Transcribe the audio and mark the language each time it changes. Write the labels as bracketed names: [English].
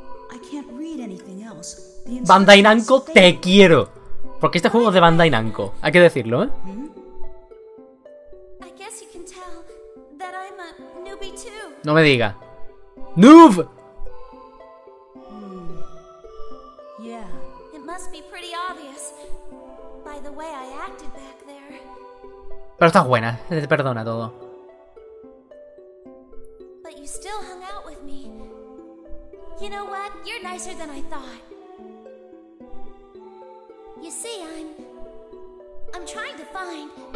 [English] I can't read anything else. [Spanish] Bandai Namco, te quiero. Porque este juego es de Bandai Namco, hay que decirlo, ¿eh? [English] I guess you can tell that I'm a newbie too. [Spanish] No me diga. [English] ¡Noob! Yeah. It must be pretty obvious by the way I acted back there. [Spanish] Pero estás buena, se te perdona todo. [English] But you still hung out with me. You know what? You're nicer than I thought. You see, I'm trying to find.